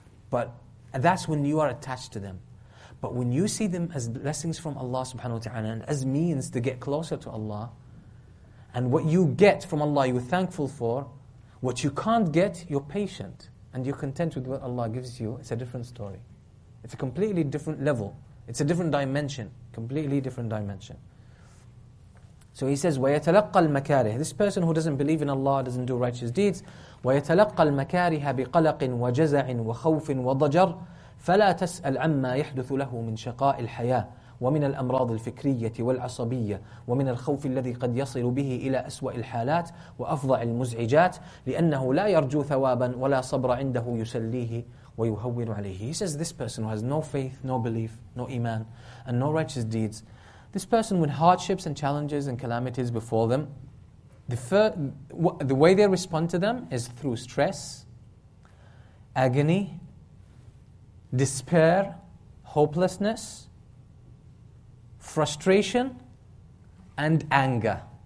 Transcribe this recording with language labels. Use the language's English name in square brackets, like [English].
[English] But that's when you are attached to them. But when you see them as blessings from Allah subhanahu wa ta'ala and as means to get closer to Allah, and what you get from Allah you're thankful for, what you can't get, you're patient and you're content with what Allah gives you, it's a different story. It's a completely different level. It's a different dimension. Completely different dimension. So he says, [Arabic] وَيَتَلَقَّ الْمَكَارِهِ. [English] This person who doesn't believe in Allah, doesn't do righteous deeds, [Arabic] وَيَتَلَقَّ الْمَكَارِهَ بِقَلَقٍ وَجَزَعٍ وَخَوْفٍ وَضَجَرٍ فَلَا تَسْأَلْ عَمَّا يَحْدُثُ لَهُ مِنْ شَقَاءِ الْحَيَاةِ ومن الأمراض الفكرية والعصبية ومن الخوف الذي قد يصل به إلى أسوأ الحالات وأفظع المزعجات لأنه لا يرجو ثوابا ولا صبر عنده يسليه ويهون عليه. [English] He says this person who has no faith, no belief, no iman, and no righteous deeds, this person with hardships and challenges and calamities before them, the way they respond to them is through stress, agony, despair, hopelessness, frustration, and anger.